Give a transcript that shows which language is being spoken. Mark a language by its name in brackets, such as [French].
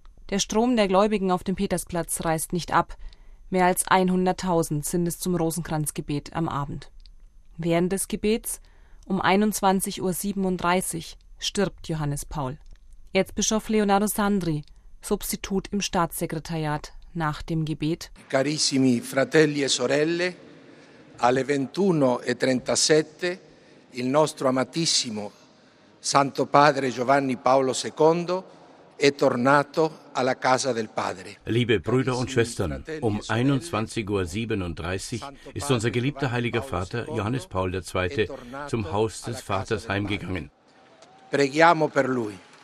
[German] Der Strom der Gläubigen auf dem Petersplatz reißt nicht ab. Mehr als 100.000 sind es zum Rosenkranzgebet am Abend. Während des Gebets, um 21.37 Uhr, stirbt Johannes Paul. Erzbischof Leonardo Sandri, Substitut im Staatssekretariat, nach dem Gebet: [Italian] Carissimi fratelli e sorelle, alle 21.37 il nostro amatissimo Santo Padre Giovanni Paolo II è tornato alla casa del Padre. [German] Liebe Brüder und Schwestern, um 21.37 Uhr ist unser geliebter heiliger Vater Johannes Paul II. Zum Haus des Vaters heimgegangen. [Italian] Preghiamo per lui.